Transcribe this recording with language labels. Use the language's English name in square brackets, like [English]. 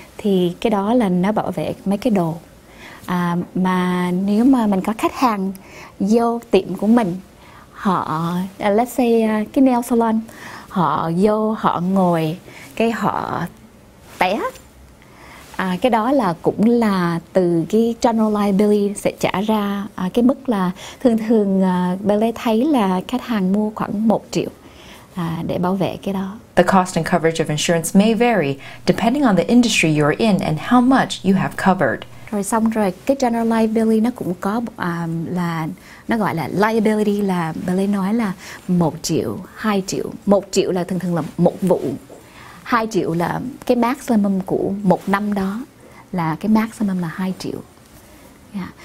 [Vietnamese] Thì cái đó là nó bảo vệ mấy cái đồ. Mà nếu mà mình có khách hàng vô tiệm của mình, họ [English] let's say [Vietnamese] cái nail salon, họ vô họ ngồi cái họ té, cái đó là cũng là từ cái general liability sẽ trả ra. Cái mức là thường thường Belle thấy là khách hàng mua khoảng 1 triệu để bảo vệ cái đó. [English] The cost and coverage of insurance may vary depending on the industry you're in and how much you have covered. [Vietnamese] Rồi xong rồi, cái general liability nó cũng có là nó gọi là liability, là Belle nói là 1 triệu, 2 triệu. 1 triệu là thường thường là một vụ. 2 triệu là cái maximum của một năm đó, là cái maximum là 2 triệu. Yeah.